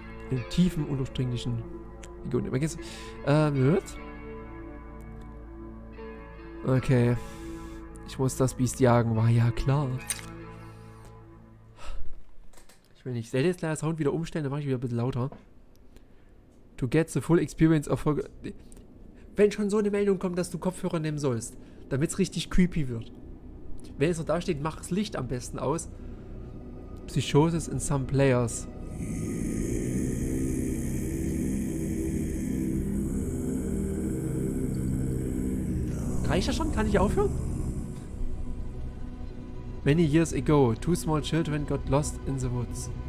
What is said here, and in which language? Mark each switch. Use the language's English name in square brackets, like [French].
[German] In den tiefen, undurchdringlichen Regionen. Okay. Ich muss das Biest jagen, war ja klar. Ich will nicht. Ich werde jetzt gleich das Sound wieder umstellen, dann mache ich wieder ein bisschen lauter. [English] To get the full experience of Folklore. [German] Wenn schon so eine Meldung kommt, dass du Kopfhörer nehmen sollst, damit es richtig creepy wird. Wenn es noch da steht, mach das Licht am besten aus. [English] Psychosis in some players. [German] Reicht das schon? Kann ich aufhören? [English] Many years ago, two small children got lost in the woods.